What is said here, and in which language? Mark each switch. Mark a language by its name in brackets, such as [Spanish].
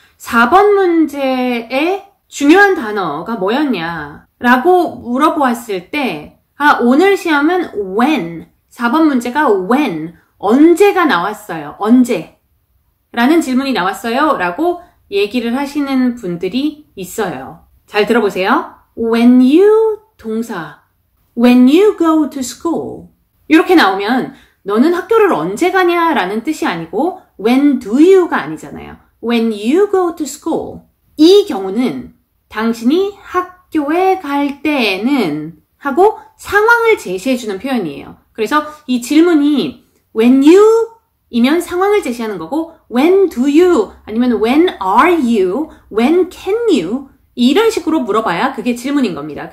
[Korean] 4번 문제의 중요한 단어가 뭐였냐? 라고 물어보았을 때 아, 오늘 시험은 when, 4번 문제가 when, 언제가 나왔어요? 언제? 라는 질문이 나왔어요? 라고 얘기를 하시는 분들이 있어요. 잘 들어보세요. [English] When you [Korean] 동사, [English] when you go to school. [Korean] 이렇게 나오면 너는 학교를 언제 가냐? 라는 뜻이 아니고 [English] when do you [Korean] 가 아니잖아요. [English] When you go to school. [Korean] 이 경우는 당신이 학교에 갈 때에는 하고 상황을 제시해 주는 표현이에요. 그래서 이 질문이 when you 이면 상황을 제시하는 거고 [English] when do you [Korean] 아니면 when are you, when can you 이런 식으로 물어봐야 그게 질문인 겁니다.